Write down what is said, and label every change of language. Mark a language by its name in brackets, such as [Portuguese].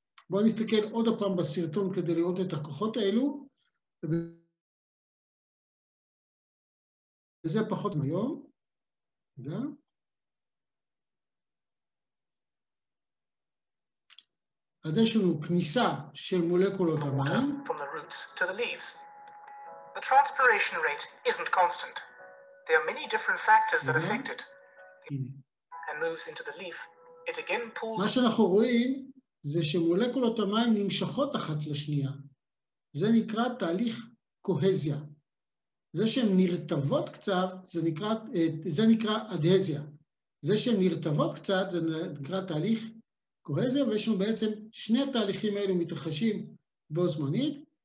[Hebrew] בואו נסתכל עוד הפעם בסרטון כדי לראות את הכוחות האלו, וזה פחות מהיום. אז יש לנו כניסה של מולקולות המים. [English] From the roots to the leaves. The transpiration rate isn't constant. There are many different factors that affect it. And moves into the leaf. [Hebrew] מה שאנחנו רואים זה שמולקולות המים נמשכות אחת לשנייה. זה נקרא תהליך קוהזיה. זה שהן נרטבות קצת, זה נקרא אדהזיה. זה שהן נרטבות קצת, זה נקרא תהליך קוהזיה, ויש לנו בעצם שני תהליכים האלו מתרחשים בו זמנית.